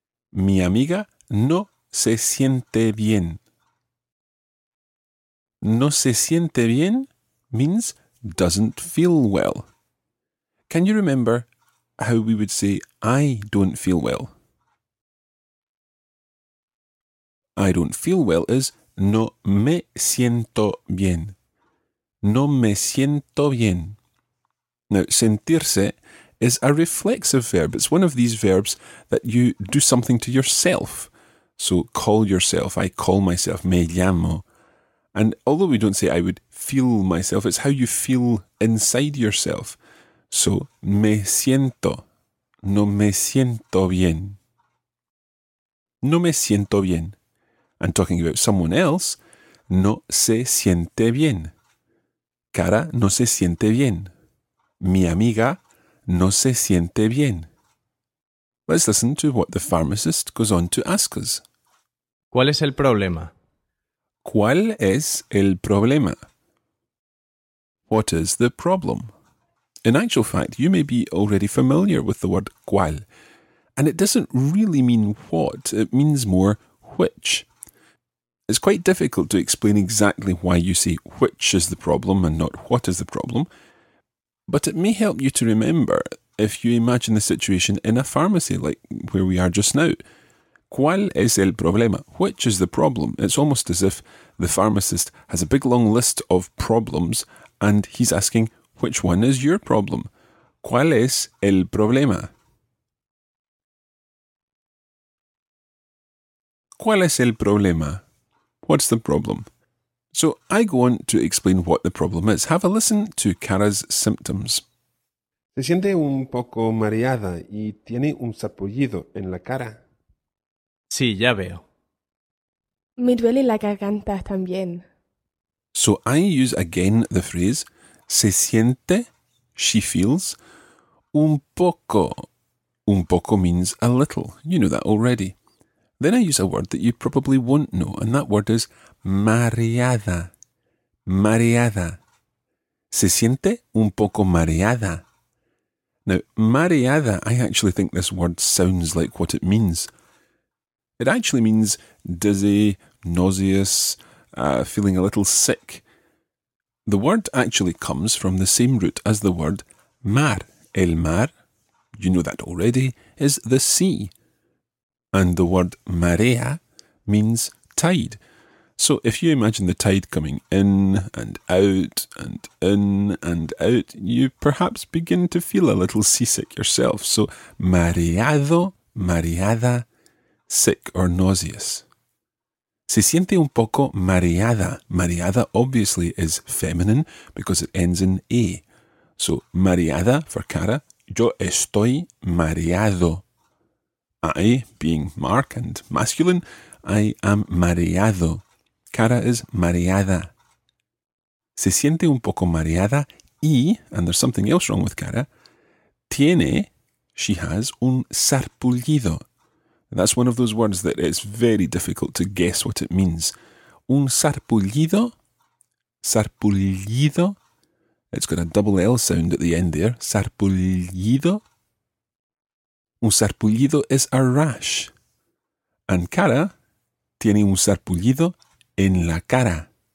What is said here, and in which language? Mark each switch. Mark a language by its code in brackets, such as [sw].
[es] Mi amiga no se siente bien. No se siente bien [en] means doesn't feel well. Can you remember how we would say I don't feel well? I don't feel well is [es] no me siento bien. No me siento bien. [en] Now, sentirse is a reflexive verb. It's one of these verbs that you do something to yourself. So, call yourself. I call myself. [es] Me llamo. [en] And although we don't say I would feel myself, it's how you feel inside yourself. [es] So, me siento. No me siento bien. No me siento bien. [en] And talking about someone else, [es] no se siente bien. Cara no se siente bien. Mi amiga no se siente bien. [en] Let's listen to what the pharmacist goes on to ask us. [es] ¿Cuál es el problema? ¿Cuál es el problema? [en] What is the problem? In actual fact, you may be already familiar with the word cuál, and it doesn't really mean what, it means more which. It's quite difficult to explain exactly why you say which is the problem and not what is the problem. But it may help you to remember if you imagine the situation in a pharmacy like where we are just now. [es] ¿Cuál es el problema? [en] Which is the problem? It's almost as if the pharmacist has a big long list of problems and he's asking, which one is your problem? [es] ¿Cuál es el problema? ¿Cuál es el problema? [en] What's the problem? So I go on to explain what the problem is. Have a listen to Cara's symptoms. [es] Se siente un poco mareada y tiene un sarpullido en la cara. Sí, ya veo. Me duele la garganta también. [en] So I use again the phrase, [es] se siente, [en] she feels, [es] un poco. Un poco [en] means a little. You know that already. Then I use a word that you probably won't know, and that word is mareada. [es] Mareada. Se siente un poco mareada. [en] Now, mareada, I actually think this word sounds like what it means. It actually means dizzy, nauseous, feeling a little sick. The word actually comes from the same root as the word mar. El mar, you know that already, is the sea. And the word marea means tide. So if you imagine the tide coming in and out and in and out, you perhaps begin to feel a little seasick yourself. So mareado, mareada, sick or nauseous. [es] Se siente un poco mareada. [en] Mareada obviously is feminine because it ends in a. [es] So mareada for Cara, yo estoy mareado. [en] I, being Mark and masculine, I am mareado. Cara is mareada. [es] Se siente un poco mareada y, [en] and there's something else wrong with Cara, tiene, she has, un sarpullido. That's one of those words that it's very difficult to guess what it means. [es] Un sarpullido, sarpullido. [en] It's got a double L sound at the end there, sarpullido. Un sarpullido is a rash. [es] And Cara tiene un sarpullido en la cara.